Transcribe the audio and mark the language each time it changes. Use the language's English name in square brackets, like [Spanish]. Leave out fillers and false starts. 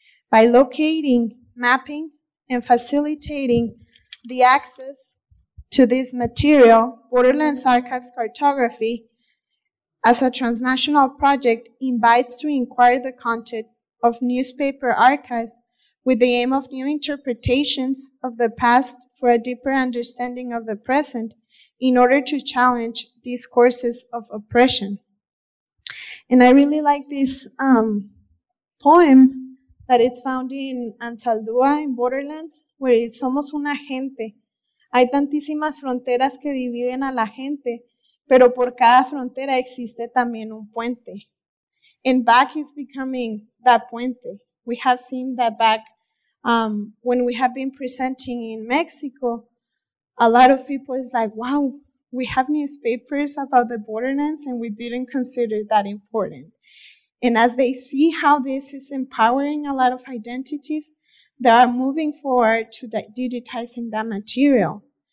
[English] by locating, mapping, and facilitating the access to this material, Borderlands Archives Cartography, as a transnational project, invites to inquire the content of newspaper archives with the aim of new interpretations of the past for a deeper understanding of the present in order to challenge these courses of oppression. And I really like this poem that is found in Anzaldúa in Borderlands, where it's [Spanish] somos una gente. Hay tantísimas fronteras que dividen a la gente, pero por cada frontera existe también un puente. [English] And back is becoming that puente. We have seen that back when we have been presenting in Mexico. A lot of people is like, wow, we have newspapers about the borderlands and we didn't consider that important. And as they see how this is empowering a lot of identities, they are moving forward to digitizing that material.